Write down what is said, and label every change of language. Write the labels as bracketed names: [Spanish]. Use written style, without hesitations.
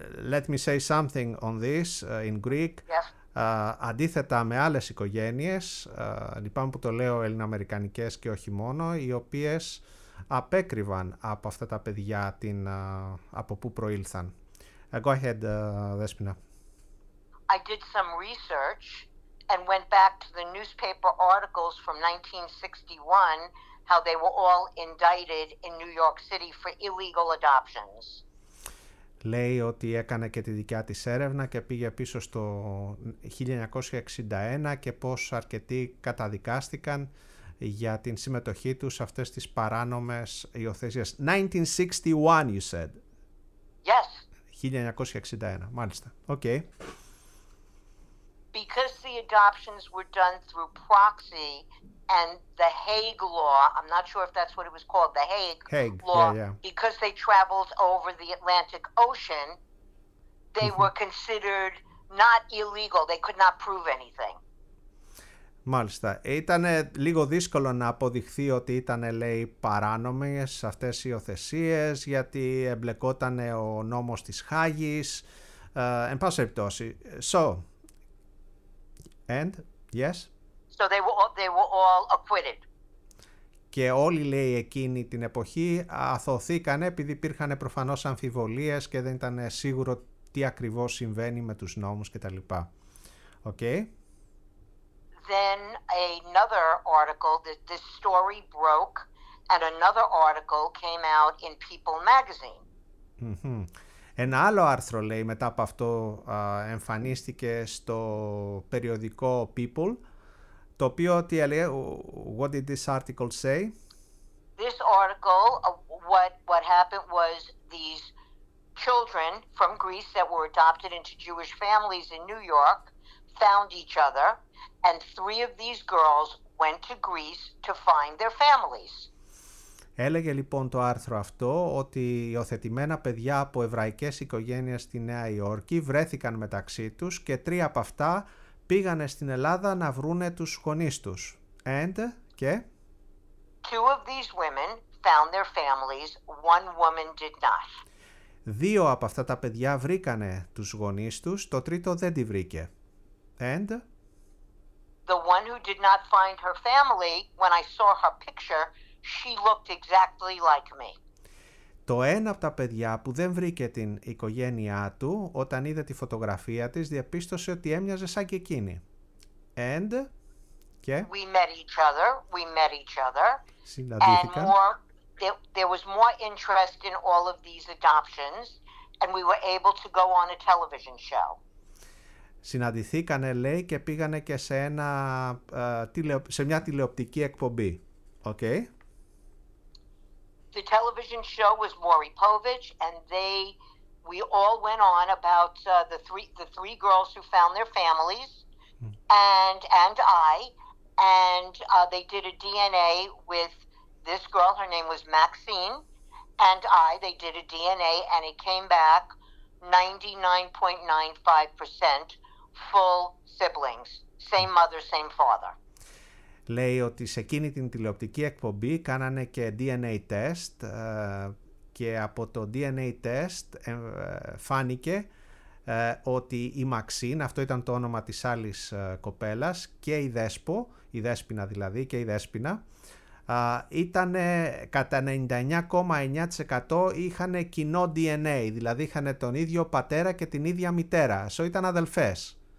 [English] Let me say something on this in Greek. Yes. [Greek] Αντίθετα με άλλες οικογένειες, λυπάμαι που το λέω ελληνοαμερικανικές και όχι μόνο, οι οποίες απέκρυβαν από αυτά τα παιδιά την, από πού προήλθαν. [English] Go ahead, Δέσποινα. I did some research and went back to the newspaper articles from 1961, how they were all indicted in New York City for illegal adoptions. [Greek] Λέει ότι έκανε και τη δικιά της έρευνα και πήγε πίσω στο 1961 και πώς αρκετοί καταδικάστηκαν για την συμμετοχή τους σε αυτές τις παράνομες υιοθεσίες. [English] 1961, you said. Yes. [Greek] 1961, μάλιστα. [English] Okay. Because the adoptions were done through proxy and the Hague Law, I'm not sure if that's what it was called, the Hague Law, because they traveled over the Atlantic Ocean, they were considered not illegal. They could not prove anything. [Greek] Μάλιστα. Ήτανε λίγο δύσκολο να αποδειχθεί ότι ήτανε, λέει, παράνομες αυτές οι υιοθεσίες, γιατί εμπλεκότανε ο νόμος της Χάγης. Εν πάση περιπτώσει. [English] So, and, yes. So they were all acquitted. [Greek] Και όλοι, λέει, εκείνη την εποχή αθωθήκανε, επειδή υπήρχαν προφανώς αμφιβολίες και δεν ήταν σίγουρο τι ακριβώς συμβαίνει με τους νόμους κτλ. [English] Okay. Then another article, this story broke, and another article came out in People magazine. Mm-hmm. [Greek] Ένα άλλο άρθρο, λέει, μετά από αυτό εμφανίστηκε στο περιοδικό People, το οποίο τι έλεγε, [English] what did this article say? This article, what happened was these children from Greece that were adopted into Jewish families in New York found each other, and three of these girls went to Greece to find their families. [Greek] Έλεγε λοιπόν το άρθρο αυτό ότι υιοθετημένα παιδιά από εβραϊκές οικογένειες στη Νέα Υόρκη βρέθηκαν μεταξύ τους και τρία από αυτά πήγανε στην Ελλάδα να βρούνε τους γονείς τους. [English] And, [Greek] και... [English] Two of these women found their families, one woman did not. [Greek] Δύο από αυτά τα παιδιά βρήκανε τους γονείς τους, το τρίτο δεν τη βρήκε. [English] And... The one who did not find her family, when I saw her picture, she looked exactly like me. [Greek] Το ένα από τα παιδιά που δεν βρήκε την οικογένειά του, όταν είδε τη φωτογραφία της, διαπίστωσε ότι έμοιαζε σαν και εκείνη. [English] And, και... We met each other. [Greek] Συναντήθηκαν. [English] And more, there was more interest in all of these adoptions, and we were able to go on a television show. [Greek] Συναντηθήκανε, λέει, και πήγανε και σε ένα, σε μια τηλεοπτική εκπομπή. [English] Okay. The television show was Maury Povich, and we all went on about the three girls who found their families, and I, and they did a DNA with this girl. Her name was Maxine, and I. They did a DNA, and it came back 99.95% full siblings, same mother, same father. [Greek] Λέει ότι σε εκείνη την τηλεοπτική εκπομπή κάνανε και DNA test και από το DNA test φάνηκε ότι η Μαξίν, αυτό ήταν το όνομα της άλλης κοπέλας, και η Δέσποινα ήταν κατά 99,9% είχαν κοινό DNA, δηλαδή είχαν τον ίδιο πατέρα και την ίδια μητέρα, so ήταν αδελφές.